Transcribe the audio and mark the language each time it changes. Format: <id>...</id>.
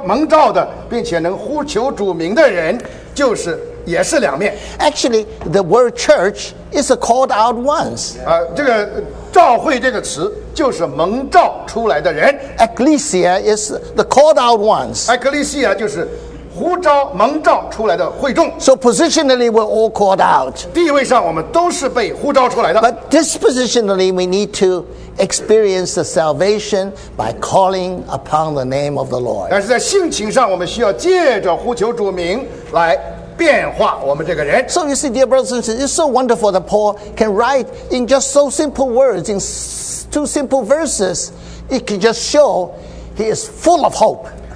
<zh>这地方实际上被呼召蒙召的并且能呼求主名的人 就是也是两面。</zh> <en>Actually, the word church is a called out once.</en> <zh>这个召会这个词就是蒙召出来的人。</zh> <en>Ecclesia is the called out ones.</en> <zh>Ecclesia 就是 呼召蒙召出来的会众。</zh> <en>So positionally we're all called out.</en> <zh>地位上我们都是被呼召出来的。</zh> <en>But dispositionally we need to experience the salvation by calling upon the name of the Lord.</en> <zh>但是在性情上我们需要借着呼求主名来</zh> <en>So you see, dear brothers and sisters, it's so wonderful that Paul can write in just so simple words, in two simple verses, it can just show he is full of hope.</en>